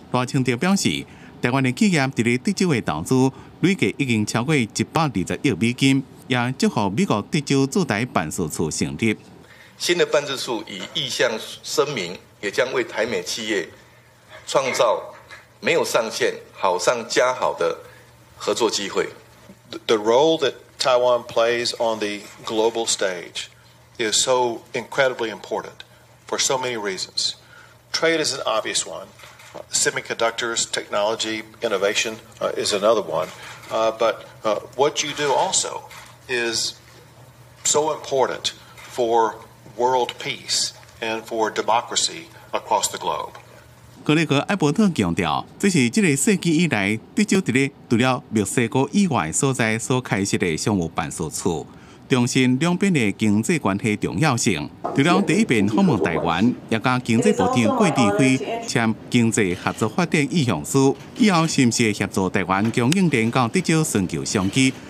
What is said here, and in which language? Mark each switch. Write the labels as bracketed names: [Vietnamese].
[Chinese] 赖清德表示，台湾的企业在德州的投资累计已经超过120亿美金，也祝贺美国德州驻台办事处成立。新的办事处以意向声明，也将为台美企业创造没有上限、好上加好的合作机会。 [English] The role that Taiwan plays on the global stage is so incredibly important for so many reasons. Trade is an obvious one. Semiconductors, technology, innovation is another one. But what you do also is so important for world peace and for democracy across the globe. [Chinese] 格雷格·艾伯特强调，这是这个世纪以来德州在除了墨西哥以外所在所开设的商务办事处，重申两边的经济关系重要性。除了第一遍访问台湾，也跟经济部长郭智辉签经济合作发展意向书，以后是不是协助台湾供应链到德州寻求商机？